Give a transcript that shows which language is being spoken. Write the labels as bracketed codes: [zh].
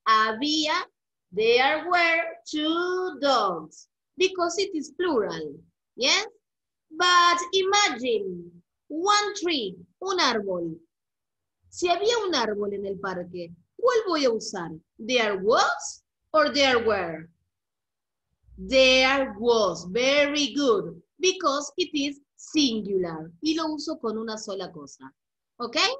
[en] Había, there were two dogs. Because it is plural. Yes? But imagine, one tree, [es] un árbol. Si había un árbol en el parque, ¿cuál voy a usar? [en] There was or there were? There was, very good, because it is singular. [es] Y lo uso con una sola cosa, ¿ok?